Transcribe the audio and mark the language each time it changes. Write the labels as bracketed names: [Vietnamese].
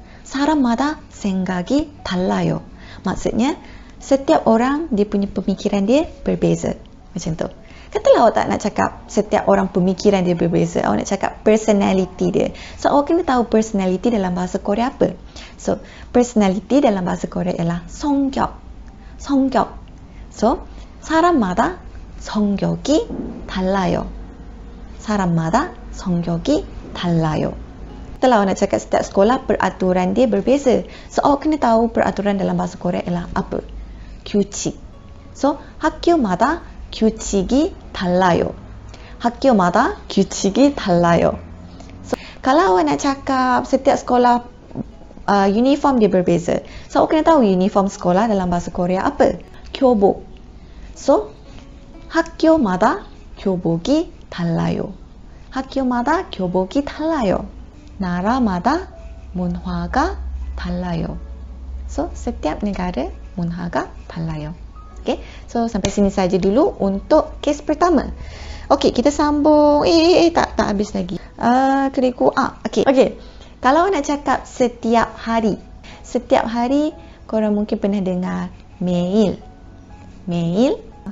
[Korean] Saramada, senggaki, talayo. [Malay] Maksudnya, setiap orang, dia punya pemikiran dia berbeza. Macam tu. Katalah awak tak nak cakap setiap orang pemikiran dia berbeza. Awak nak cakap personality dia. So, awak kena tahu personality dalam bahasa Korea apa. So, personality dalam bahasa Korea ialah songgyok. [Korean] Songgyok. So, saramada, 성격이 달라요. 사람마다 성격이 달라요. [Malay] Kalau nak cakap setiap sekolah, peraturan dia berbeza. So, awak kena tahu peraturan dalam bahasa Korea ialah apa? [Korean] Kyuchik. So, 학교마다 규칙이 달라요. 학교마다 규칙이 달라요. [Malay] So, kalau awak nak cakap setiap sekolah, uniform dia berbeza. So, awak kena tahu uniform sekolah dalam bahasa Korea apa? [Korean] Kyobok. So, 학교마다 교복이 달라요. 학교마다 교복이 달라요. 나라마다 문화가 달라요. [Malay] So, setiap negara [Korean] 문화가 달라요. [Malay] Okay, so sampai sini saja dulu untuk kes pertama. Okay, kita sambung. Tak, tak habis lagi. Keriku. Ah, okay. Kalau nak cakap setiap hari. Setiap hari, korang mungkin pernah dengar mail. Mail.